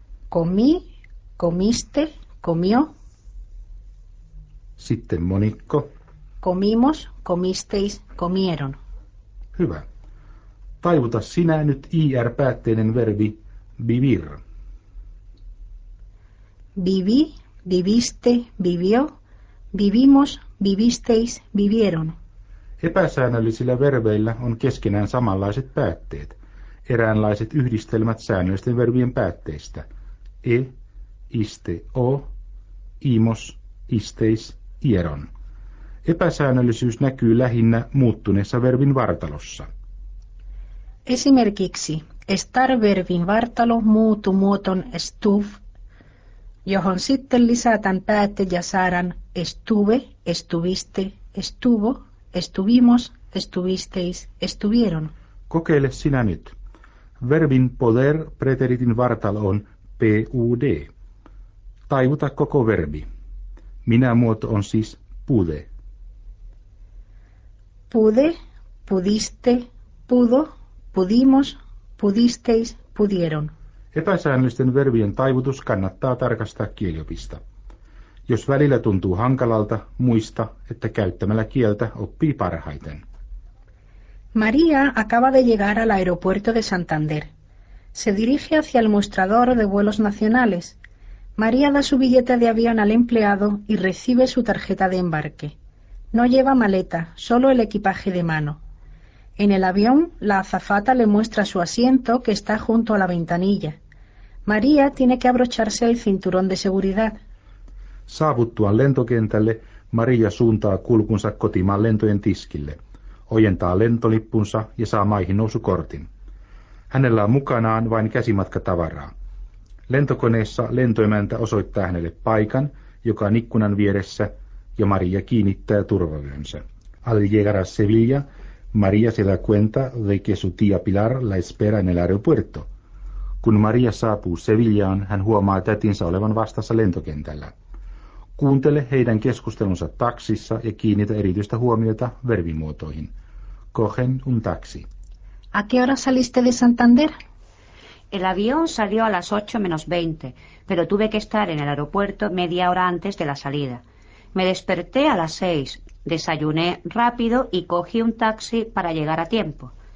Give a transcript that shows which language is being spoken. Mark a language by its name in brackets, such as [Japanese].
[Spanish] Comí, comiste, comió. [Finnish] Sitten monikko. [Spanish] Comimos, comisteis, comieron. [Finnish] Hyvä. Taivuta sinä nyt IR-päätteinen verbi vivir. [Spanish] Viví, viviste, vivió, vivimos, vivisteis, vivieron. [Finnish] Epäsäännöllisillä verbeillä on keskenään samanlaiset päätteet, eräänlaiset yhdistelmät säännöllisten verbien päätteistä. [Spanish] E, iste, o, imos, isteis, ieron. [Finnish] Epäsäännöllisyys näkyy lähinnä muuttuneessa verbin vartalossa. Esimerkiksi estar-verbin vartalo muutu muoton estuv, johon sitten lisätään päätte ja saadaan [Spanish] estuve, estuviste, estuvo, estuvimos, estuvisteis, estuvieron. [Finnish] Kokeile sinä nyt. Verbin poder preteritin vartalo on PUD. Taivuta koko verbi. Minä muoto on siis pude. [Spanish] Pude, pudiste, pudo, pudimos, pudisteis, pudieron. [Finnish] Epäsäännöllisten verbien taivutus kannattaa tarkastaa kieliopista. Jos välillä tuntuu hankalalta, muista, että käyttämällä kieltä oppii parhaiten. [Spanish] María acaba de llegar al aeropuerto de Santander. Se dirige hacia el mostrador de vuelos nacionales. María da su billete de avión al empleado y recibe su tarjeta de embarque. No lleva maleta, solo el equipaje de mano. En el avión, la azafata le muestra su asiento que está junto a la ventanilla. María tiene que abrocharse el cinturón de seguridad. [Finnish] Saavuttuaan lentokentälle, María suuntaa kulkunsa kotimaan lentojen tiskille. Ojentaa lentolippunsa ja saa maihin nousukortin. Hänellä on mukanaan vain käsimatkatavaraa. Lentokoneessa lentoemäntä osoittaa hänelle paikan, joka on ikkunan vieressä, ja María kiinnittää turvavyönsä. [Spanish] Al llegar a Sevilla, María se da cuenta de que su tía Pilar la espera en el aeropuerto. [Finnish] Kun María saapuu Sevillaan, hän huomaa tätinsä olevan vastassa lentokentällä. Kuuntele heidän keskustelunsa taksissa ja kiinnitä erityistä huomiota verbimuotoihin. [Spanish] Cogen un taxi. ¿A qué hora saliste de Santander? El avión salió a las 8:20, pero tuve que estar en el aeropuerto media hora antes de la salida. Me desperté a las 6, desayuné rápido y cogí un taxi para llegar a tiempo.